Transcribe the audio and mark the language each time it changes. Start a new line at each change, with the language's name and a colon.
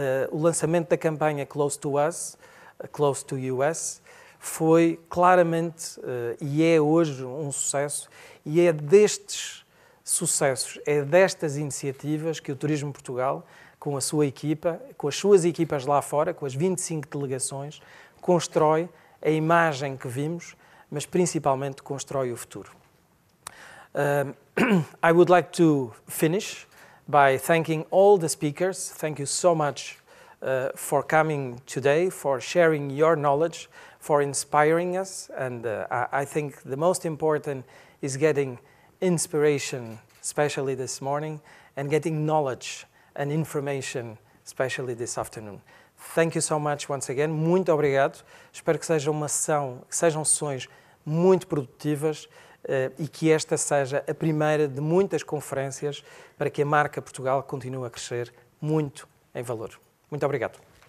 Portuguese: O lançamento da campanha Close to Us, Close to US, foi claramente, e é hoje um sucesso, e é destes sucessos, é destas iniciativas que o Turismo Portugal, com a sua equipa, com as suas equipas lá fora, com as 25 delegações, constrói a imagem que vimos, mas principalmente constrói o futuro.
English: I would like to finish by thanking all the speakers. Thank you so much for coming today, for sharing your knowledge, for inspiring us. And I think the most important is getting inspiration, especially this morning, and getting knowledge and information, especially this afternoon. Thank you so much once again.
Portuguese: Muito obrigado. Espero que seja uma sessão, que sejam sessões muito produtivas e que esta seja a primeira de muitas conferências para que a marca Portugal continue a crescer muito em valor. Muito obrigado.